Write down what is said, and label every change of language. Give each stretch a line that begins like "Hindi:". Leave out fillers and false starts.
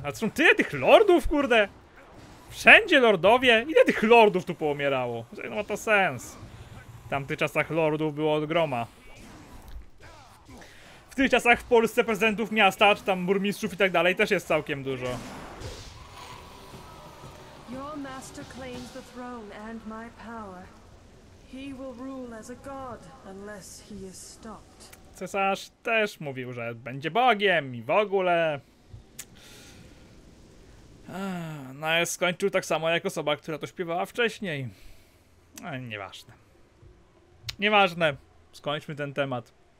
Polish: A co, tyle tych lordów, kurde? Wszędzie lordowie? Ile tych lordów tu poumierało? No ma to sens. W tamtych czasach lordów było od groma. W tych czasach w Polsce prezydentów miasta, czy tam burmistrzów i tak dalej, też jest całkiem dużo.
English: Your master claims the throne and my power. He will rule as a god unless he is stopped.
Polish: Cesarz też mówił, że będzie bogiem i w ogóle. No i skończył tak samo jak osoba, która to śpiewała wcześniej. Nieważne. Nieważne. Skończmy ten temat.